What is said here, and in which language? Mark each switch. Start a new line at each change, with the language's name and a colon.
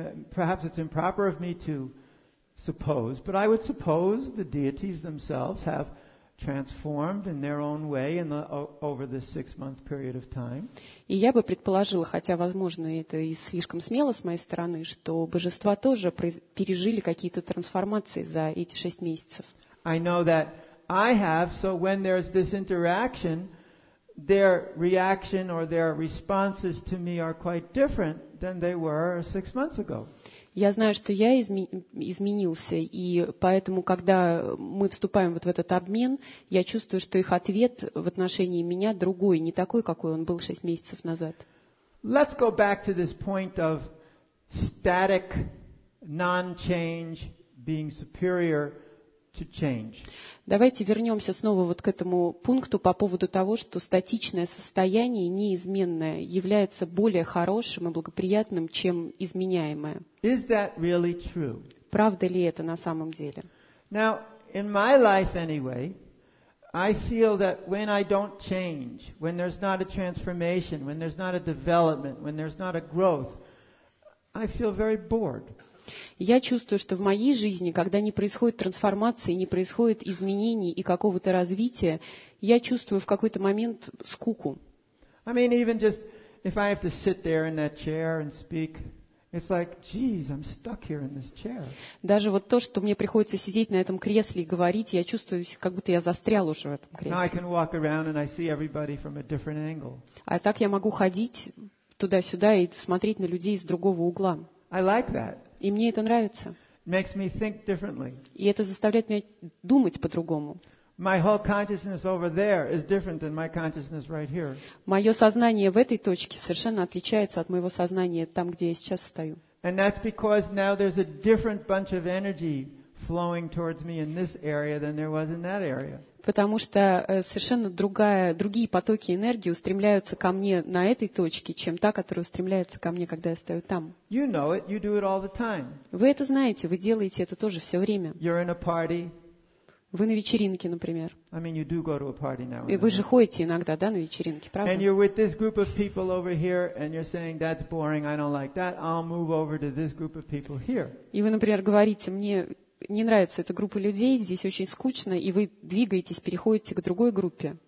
English: Perhaps it's improper of me to suppose, but I would suppose the deities themselves have transformed in their own way in the over this 6 month period of time.
Russian: И я бы предположила, хотя возможно это и слишком смело с моей стороны, что божества тоже пережили какие-то трансформации за эти 6 месяцев.
English: I know that I have, so when there's this interaction, their reaction or their responses to me are quite different than they were 6 months ago.
Russian: Я знаю, что я изменился, и поэтому, когда мы вступаем вот в этот обмен, я чувствую, что их ответ в отношении меня другой, не такой, какой он был 6 месяцев назад.
English: Let's go back to this point of static non-change being superior to change.
Russian: Давайте вернемся снова вот к этому пункту по поводу того, что статичное состояние, неизменное, является более хорошим и благоприятным, чем изменяемое.
English: Is that really true?
Russian: Правда ли это на самом деле?
English: Now, in my life anyway, I feel that when I don't change, when there's not a transformation, when there's not a development, when there's not a growth, I feel very bored.
Russian: Я чувствую, что в моей жизни, когда не происходит трансформации, не происходит изменений и какого-то развития, я чувствую в какой-то момент скуку.
English: I mean, even just if I have to sit there in that chair and speak, it's like, geez, I'm stuck here in this chair.
Russian: Даже вот то, что мне приходится сидеть на этом кресле и говорить, я чувствую, как будто я застрял уже в этом кресле.
English: Now I can walk around and I see everybody from a different angle.
Russian: А так я могу ходить туда-сюда и смотреть на людей с другого угла.
English: I like that.
Russian: И мне это нравится.
English: Makes me think differently.
Russian: И это заставляет меня думать по-другому.
English: My whole consciousness over there is different than my consciousness right here.
Russian: Мое сознание в этой точке совершенно отличается от моего сознания там, где я сейчас стою.
English: And that's because now there's a different bunch of energy flowing towards me in this area than there was in that area.
Russian: Потому что совершенно другие потоки энергии устремляются ко мне на этой точке, чем та, которая устремляется ко мне, когда я стою там.
English: You know it, you do it all the time.
Russian: Вы это знаете, вы делаете это тоже все время.
English: You're in a party.
Russian: Вы на вечеринке, например.
English: I mean, you do go to a party now.
Russian: И вы же ходите иногда, да, на вечеринке, правда?
English: And you're with this group of people over here, and you're saying that's boring, I don't like that. I'll move over to this group of people here.
Russian: И вы, например, говорите мне. Не нравится эта группа людей, здесь очень скучно, и вы двигаетесь, переходите к другой группе.